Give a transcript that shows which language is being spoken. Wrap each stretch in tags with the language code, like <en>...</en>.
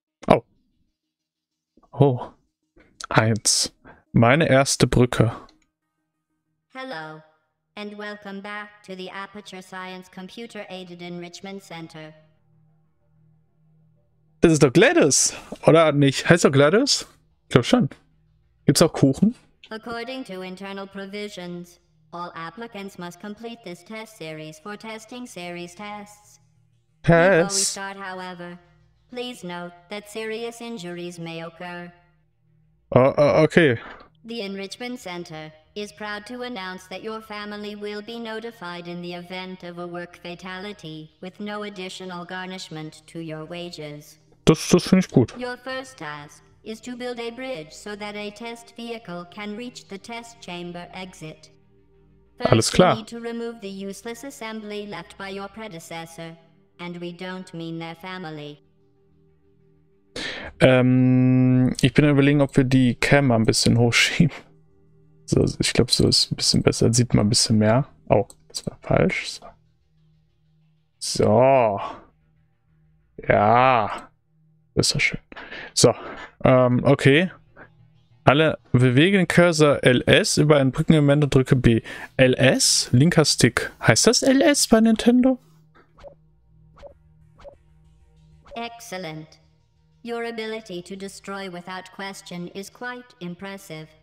<de>Oh. Oh. Eins. Meine erste Brücke.</de> <en>Hello and welcome back to the Aperture Science Computer Aided Enrichment Center.</en> <de>Das ist doch Gladys, oder nicht? Heißt doch Gladys? Ich glaube schon. Gibt's auch Kuchen?</de> <en>According to internal provisions, all applicants must complete this test series for testing series tests. Before we start, however, please note that serious injuries may occur. Okay. The Enrichment Center is proud to announce that your family will be notified in the event of a work fatality with no additional garnishment to your wages.</en> <de>Das finde ich gut.</de> <en>Your first task is to build a bridge so that a test vehicle can reach the test chamber exit.</en> <de>First, alles klar.</de> <en>We need to remove the useless assembly left by your predecessor, and we don't mean their family.</en> <de>Ich bin überlegen, ob wir die Cam ein bisschen hochschieben. So, ich glaube, so ist ein bisschen besser. Sieht man ein bisschen mehr. Oh, das war falsch. So. Ja. Das ist ja schön. So. Okay. Alle, bewege den Cursor LS über ein Brückenelement und drücke B. LS? Linker Stick. Heißt das LS bei Nintendo?</de> <en>Excellent. Your ability to destroy without question is quite impressive.</en>